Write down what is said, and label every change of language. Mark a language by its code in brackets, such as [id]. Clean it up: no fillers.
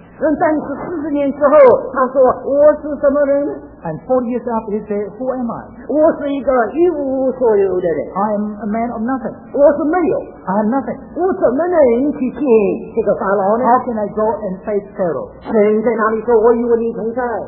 [zh] 但是40年之后,他说,我是什么人? [en] And 40 years after, he said, who am I? [zh] 我是一个一无所有的人。 [en] I am a man of nothing. [zh] 我是没有。 [en] I am nothing. [zh] 我怎么能去见这个法老呢? [en] How can I go and face Pharaoh? [zh] 神在哪里说,我与你同在?